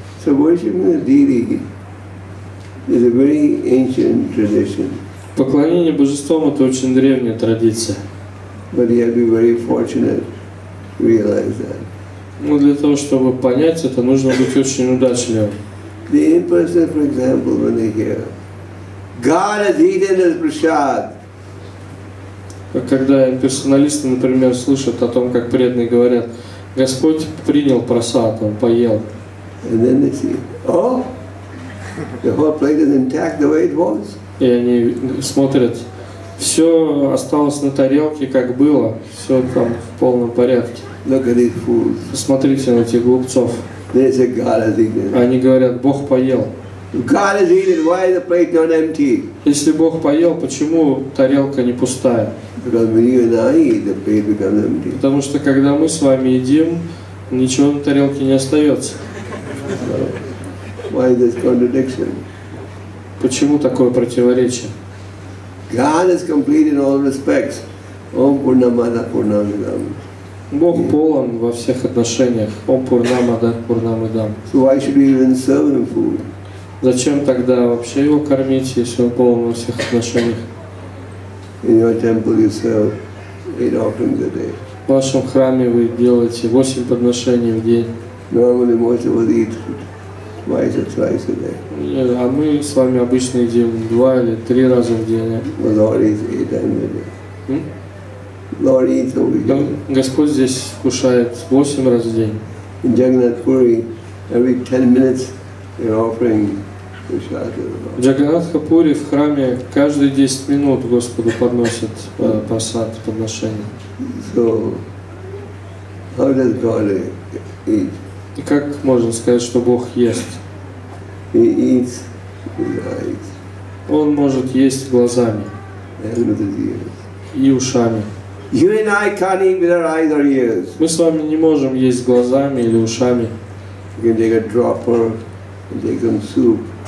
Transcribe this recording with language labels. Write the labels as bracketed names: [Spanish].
[English] So worshiping the deity is a very ancient tradition. [Russian] Поклонение божествам это очень древняя традиция. [English] But you have to be very fortunate to realize that. [Russian] Но для того, чтобы понять это, нужно быть очень удачливым. [English] The impersonal, for example, when they hear, God has eaten his prasad. [Russian] Когда имперсоналисты, например, слышат о том, как преданные говорят, Господь принял просад, он поел. [English] And then they see, oh, the whole plate is intact the way it was. [Russian] И они смотрят, все осталось на тарелке, как было, все там в полном порядке. [English] Look at these fools. [Russian] Посмотрите на этих глупцов. [English] They say, God has eaten. [Russian] Они говорят, Бог поел. [English] God is eating, why is the plate not empty? [Russian] Если Бог поел, почему тарелка не пустая? [English] Because when you and I eat, the plate becomes empty. [Russian] Потому что когда мы с вами едим, ничего на тарелке не остается. [English] Why is this contradiction? [Russian] Почему такое противоречие? [English] God is complete in all respects. [Sanskrit] Om Purnamada Purnamidam. [Russian] Бог полон во всех отношениях. [Sanskrit] Ом Пурнамада Пурнамидам. [English] So why should we even serve him food? [Russian] Зачем тогда вообще его кормить, если он полон во всех отношениях? [English] In your temple you serve 8 offerings a day. [Russian] В вашем храме вы делаете 8 подношений в день. [English] Normally most of us eat twice or thrice a day. [Russian] А мы с вами обычно едим 2 или 3 раза в день. [English] Well, Lord eats 8 times a day. Lord eats every day. [Russian] Господь здесь кушает 8 раз в день. [English] In Jagannath Puri, every 10 minutes you're offering prasadam. [Russian] В Джагнатхапуре в храме каждые 10 минут Господу подносят просад, подношение. [English] So, how does God eat? [Russian] И как можно сказать, что Бог ест? [English] He eats with eyes. [Russian] Он может есть глазами. [English] And with his ears. [Russian] И ушами. [English] You and I can't eat with our eyes or ears. [Russian] Мы с вами не можем есть глазами или ушами. [English] You can take a dropper and take some soup.